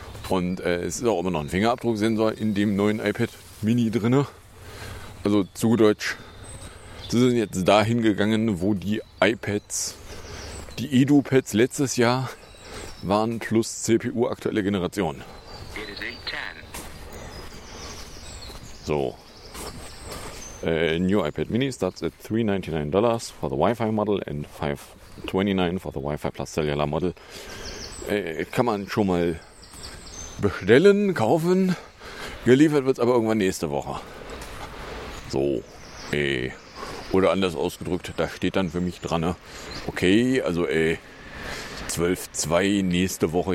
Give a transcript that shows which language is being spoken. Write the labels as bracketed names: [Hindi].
[German] Und es ist auch immer noch ein Fingerabdrucksensor in dem neuen iPad Mini drin. Also zu Deutsch, sie sind jetzt dahin gegangen, wo die iPads, die Edu-Pads letztes Jahr waren, plus CPU aktuelle Generation. So. [English] New iPad Mini starts at $399 for the Wi-Fi model and $529 for the Wi-Fi plus cellular model. [German] Kann man schon mal bestellen, kaufen. Geliefert wird es aber irgendwann nächste Woche. So. Oder anders ausgedrückt, da steht dann für mich dran. Ne? Okay, also 12.2 nächste Woche.